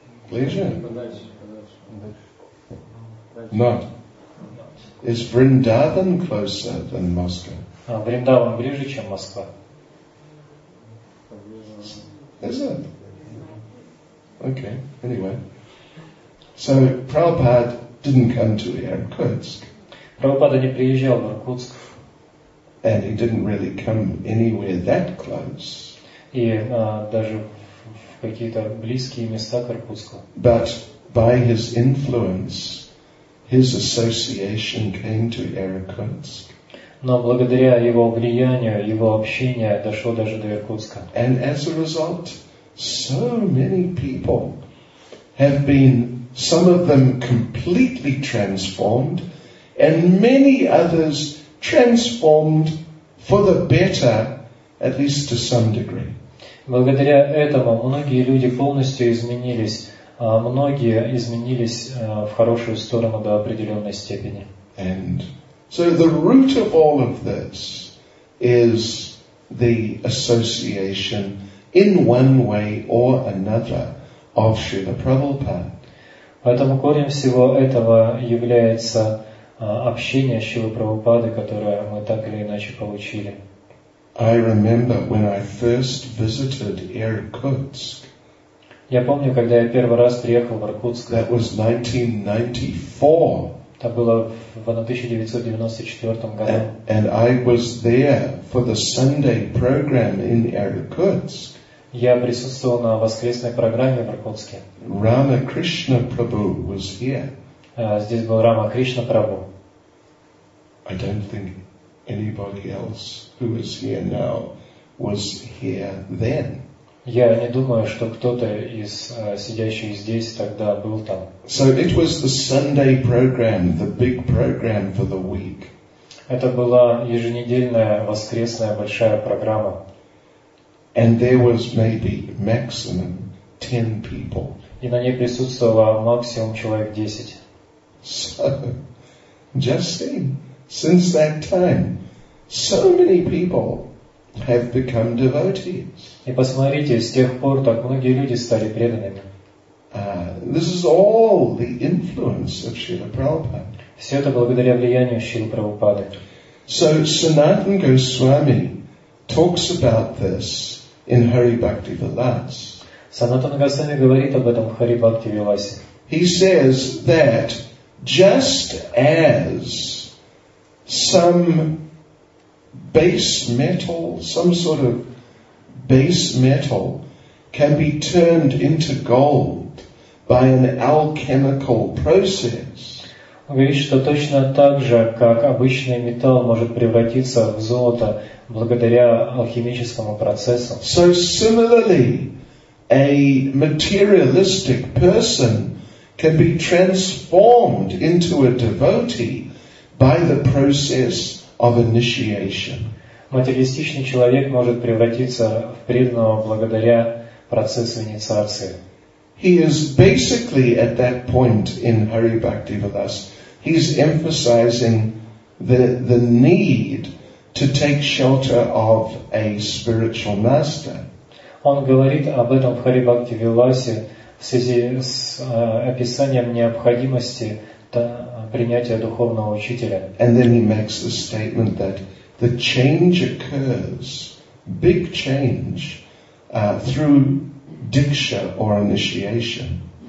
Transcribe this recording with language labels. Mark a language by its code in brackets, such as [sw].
[ru] Ближе? [en] Not. Is Vrindavan closer than Moscow? [ru] А Вриндаван ближе, чем Москва? [en] Is it? Okay. Anyway. So Prabhupada didn't come to Irkutsk. [ru] Прабхупада не приезжал в Иркутск. [en] And he didn't really come anywhere that close. [ru] И даже в какие-то близкие места к Иркутску. [en] But by his influence, his association came to Irkutsk. [ru] Но благодаря его влиянию, его общение дошло даже до Иркутска. [en] And as a result, so many people have been, some of them completely transformed, and many others transformed for the better, at least to some degree. [ru] Благодаря этому многие люди полностью изменились, а многие изменились в хорошую сторону до определенной степени. [en] And so the root of all of this is the association in one way or another of Srila Prabhupada. [ru] Поэтому корнем всего этого является общение Шрилы Прабхупады, которое мы так или иначе получили. [en] I remember when I first visited Irkutsk. [ru] Я помню, когда я первый раз приехал в Иркутск. [en] That was 1994. [ru] Это было в 1994 году. [en] And I was there for the Sunday program in Irkutsk. [ru] Я присутствовал на воскресной программе в Иркутске. [en] Рамакришна Прабху was here. [ru] Здесь был Рамакришна Прабху. [en] I don't think anybody else who is here now was here then. [ru] Я не думаю, что кто-то из сидящих здесь тогда был там. [en] So it was the Sunday program, the big program for the week. [ru] Это была еженедельная воскресная большая программа. [en] And there was maybe maximum 10 people. [ru] И на ней присутствовало максимум человек 10. [en] So, just seen, since that time, so many people have become devotees. [ru] И посмотрите, с тех пор так многие люди стали преданными. [en] This is all the influence of Śrīla Prabhupāda. [ru] Все это благодаря влиянию Шрилы Прабхупады. [en] So Sanatana Goswami talks about this in Hari Bhakti Vilas. [ru] Sanatana Goswami говорит об этом в Hari Bhakti Vilas. [en] He says that just as some base metal, some sort of base metal can be turned into gold by an alchemical process. [ru] Он говорит, что точно так же, как обычный металл может превратиться в золото благодаря алхимическому процессу. [en] So similarly, a materialistic person can be transformed into a devotee by the process of initiation. [ru] Материалистичный человек может превратиться в преданного благодаря процессу инициации. [en] He is basically at that point in Hari Bhakti Vilas. He's emphasizing the need to take shelter of a spiritual master. [ru] Он говорит об этом в Hari Bhakti Vilasе в связи с описанием необходимости принятия духовного учителя. [en] And then he makes the statement that the change occurs, big change, through diksha or initiation.